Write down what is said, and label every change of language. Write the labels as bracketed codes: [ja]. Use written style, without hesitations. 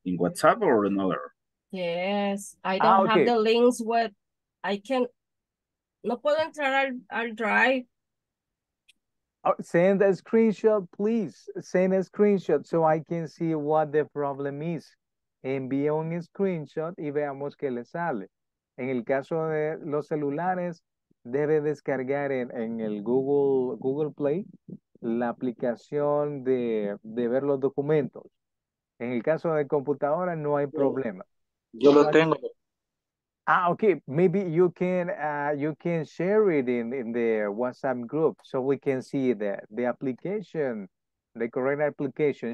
[en] In WhatsApp or another? Yes, I don't have the links, but I can [es] no puedo entrar al drive. [en] Send a screenshot, please. Send a screenshot so I can see what the problem is. [es] Envíe un screenshot y veamos qué le sale. En el caso de los celulares, debe descargar en el Google Play la aplicación de ver los documentos. En el caso de computadora no hay problema. Yo lo tengo. [en] Ah, okay. Maybe you can share it in the WhatsApp group so we can see the application, the correct application.